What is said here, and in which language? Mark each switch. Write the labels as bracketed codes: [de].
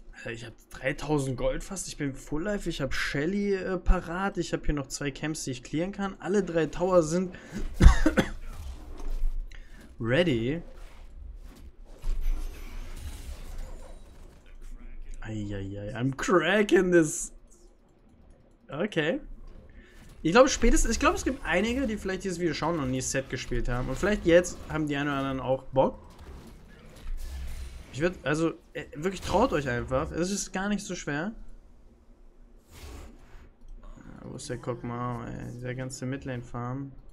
[de] Ich habe 3000 Gold fast. Ich bin Full Life. Ich habe Shelly parat. Ich habe hier noch zwei Camps, die ich clearen kann. Alle drei Tower sind ready. [en] Eieiei, I'm cracking this. [de] Okay. Ich glaube, spätestens. Ich glaube, es gibt einige, die vielleicht dieses Video schauen und nie Set gespielt haben. Und vielleicht jetzt haben die einen oder anderen auch Bock. Ich würde. Also, wirklich, traut euch einfach. Es ist gar nicht so schwer. Wo ist der Kogmao, ey? Dieser ganze Midlane-Farm.